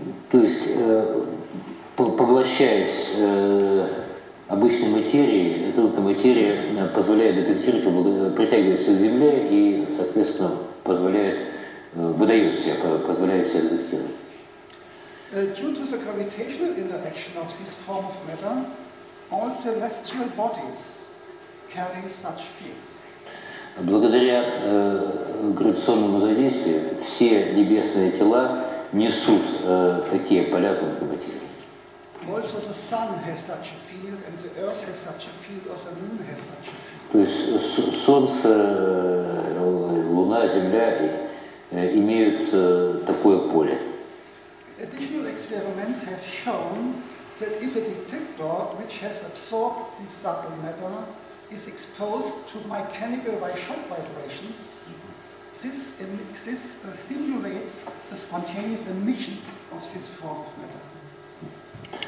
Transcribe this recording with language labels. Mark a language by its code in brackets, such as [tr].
[ru] То есть поглощаясь обычной материей, эта материя позволяет детектировать, притягивается к Земле и, соответственно, позволяет позволяет себя детектировать. [en] Due to the gravitational interaction of this form of matter, all celestial bodies carry such fields. [ru] Благодаря гравитационному воздействию все небесные тела несут такие поля тонкой материи. [en] Also the sun has such a field, and the earth has such a field, or the moon has such a field. [ru] То есть солнце, луна, земля имеют такое поле. [en] Additional experiments have shown that if a detector which has absorbed this subtle matter is exposed to mechanical shock vibrations, this stimulates the spontaneous emission of this form of matter.